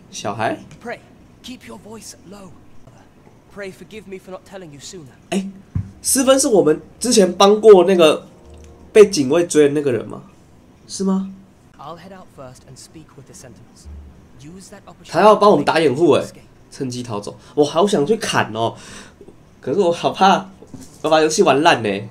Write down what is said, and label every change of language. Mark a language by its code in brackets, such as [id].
[en] 小孩 ？Pray, keep your voice low. Pray, forgive me for not telling you sooner. [zh] 哎，斯芬是我们之前帮过那个被警卫追的那个人吗？是吗 [en] I'll head out first and speak with the sentinels. Use that opportunity. [zh] 他要帮我们打掩护哎，趁机逃走。我好想去砍哦，可是我好怕我把游戏玩烂呢。